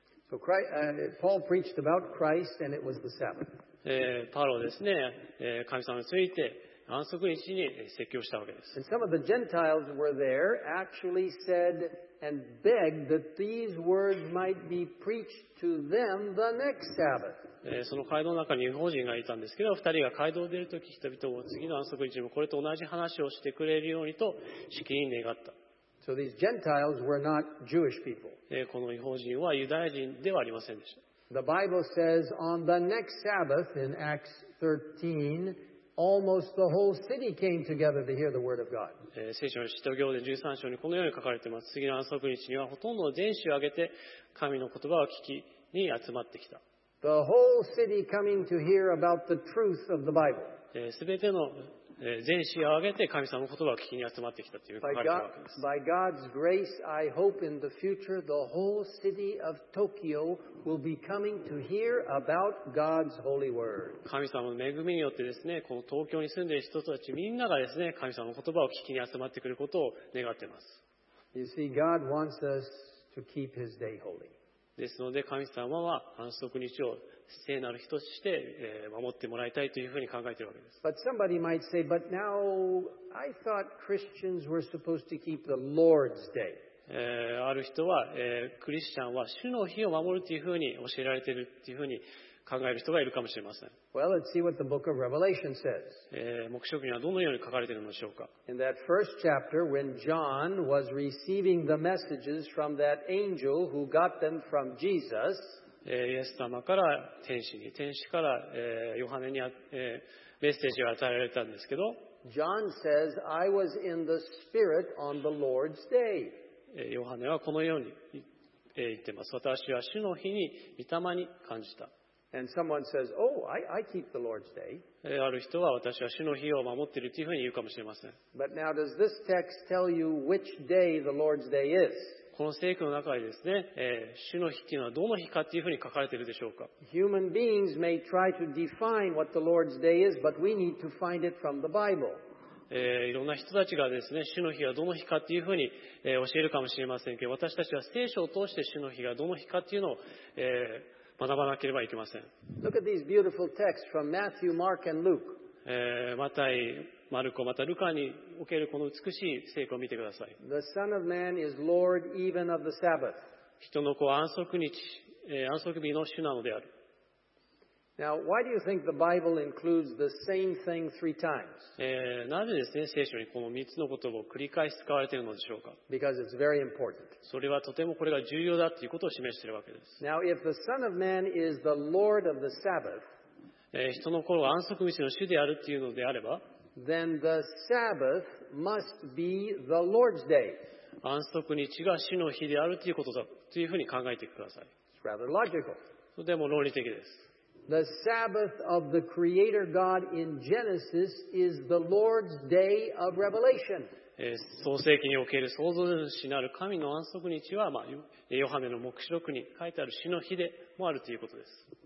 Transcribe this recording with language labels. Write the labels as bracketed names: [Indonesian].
[English] So Christ, Paul preached about Christ and it was the Sabbath. [Japanese] パウロはですね、神様について安息日に説教したわけです。 [English] And some of the Gentiles were there actually said and begged that these words might be preached to them the next Sabbath. [Japanese] その街道の中に異邦人がいたんですけど、二人が街道を出るとき、人々も次の安息日もこれと同じ話をしてくれるようにと、しきりに願った。 [English] So these Gentiles were not Jewish people. [Japanese] この異邦人はユダヤ人ではありませんでした。 [English] The Bible says on the next Sabbath in Acts 13, almost the whole city came together to hear the word of God. [Japanese] 聖書の使徒行伝13章にこのように書かれています。次の安息日にはほとんどの全市を挙げて、神の言葉を聞きに集まってきた。 [English] The whole city coming to hear about the truth of the Bible. [Japanese] 全ての全市を挙げて神様の言葉を聞きに集まってきたという書かれているわけです。 [English] By God's grace, I hope in the future the whole city of Tokyo will be coming to hear about God's holy word. [Japanese] 神様の恵みによってですね、この東京に住んでいる人たちみんながですね、神様の言葉を聞きに集まってくることを願っています。 [English] You see, God wants us to keep His day holy. [Japanese] ですので神様は安息日を聖なる日として守ってもらいたいというふうに考えているわけです。 [English] But somebody might say, but now I thought Christians were supposed to keep the Lord's day. [Japanese] ある人は、クリスチャンは主の日を守るというふうに教えられているというふうに考える人がいるかもしれません。 [English] Well, let's see what the book of Revelation says. [Japanese] 黙示録にはどのように書かれているのでしょうか。 [English] In that first chapter, when John was receiving the messages from that angel who got them from Jesus, [Japanese] イエス様から天使に、天使から、ヨハネに、メッセージが与えられたんですけど、 [English] John says, I was in the Spirit on the Lord's day. [Japanese] ヨハネはこのように言っています。私は主の日に御霊に感じた。 [English] And someone says, "Oh, I keep the Lord's day." [Japanese] ある人は私は主の日を守っているというふうに言うかもしれません。 [English] But now, does this text tell you which day the Lord's day is? [Japanese] この聖句の中にですね、主の日というのはどの日かというふうに書かれているでしょうか。 [English] Human beings may try to define what the Lord's day is, but we need to find it from the Bible. [Japanese] いろんな人たちがですね、主の日はどの日かというふうに、教えるかもしれませんけど、私たちは聖書を通して主の日がどの日かというのを、学ばなければいけません。 [English] Look at these beautiful texts from Matthew, Mark, and Luke. [Japanese] マタイ、マルコ、またルカにおけるこの美しい聖句を見てください。 [English] The Son of Man is Lord even of the Sabbath. [Japanese] 人の子は安息日、安息日の主なのである。 [English] Now, why do you think the Bible includes the same thing three times? [Japanese] なぜですね、聖書にこの3つの言葉を繰り返し使われているのでしょうか。 [English] Because it's very important. [Japanese] それはとてもこれが重要だということを示しているわけです。 [English] Now, if the Son of Man is the Lord of the Sabbath, [Japanese] 人の子は安息日の主であるというのであれば、 [English] then the Sabbath must be the Lord's day. [Japanese] 安息日が主の日であるということだというふうに考えてください。 [English] It's rather logical. [Japanese] それでも論理的です。 [English] The Sabbath of the Creator God in Genesis is the Lord's Day of Revelation. [Japanese] 創世記における創造主なる神の安息日は、まあ、ヨハネの黙示録に書いてある主の日でもあるということです。